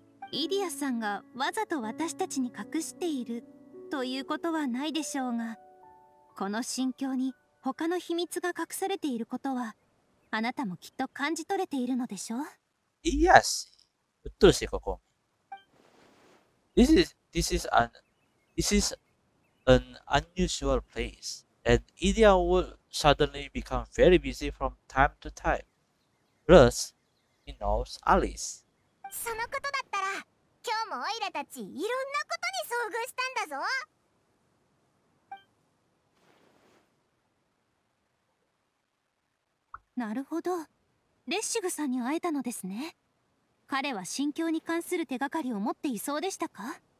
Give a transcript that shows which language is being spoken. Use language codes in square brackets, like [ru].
[ja] イディアさんがわざと私たちに隠しているということはないでしょうが、この心境に他の秘密が隠されていることはあなたもきっと感じ取れているのでしょう。いや、うっとうしい、ここ。 [en] This is an unusual place, and Idia will suddenly become very busy from time to time. Plus, he knows Alice. [ja] そのことだったら、今日もオイラたちいろんなことに遭遇したんだぞ。なるほど、レッシグさんに会えたのですね。彼は心境に関する手がかりを持っていそうでしたか？